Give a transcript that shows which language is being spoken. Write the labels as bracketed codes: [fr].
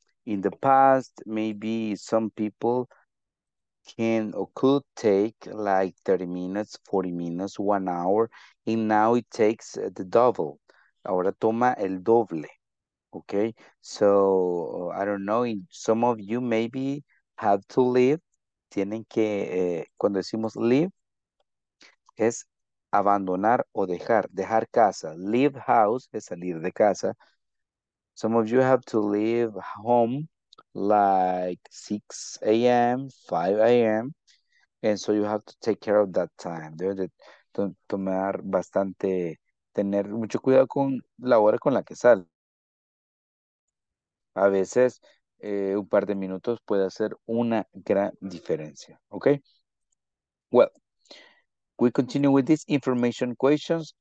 [en] In the past, maybe some people can or could take like 30 minutes, 40 minutes, 1 hour, and now it takes the double. [es] Ahora toma el doble, [en] okay? So, I don't know, some of you maybe have to leave. [es] Tienen que, cuando decimos leave, es abandonar o dejar, dejar casa. [en] Leave house [es] es salir de casa. [en] Some of you have to leave home like 6 a.m., 5 a.m. And so you have to take care of that time. [es] Debes de tomar bastante, tener mucho cuidado con la hora con la que sal. A veces... un par de minutos puede hacer una gran diferencia, okay? [en] Well, we continue with these information questions.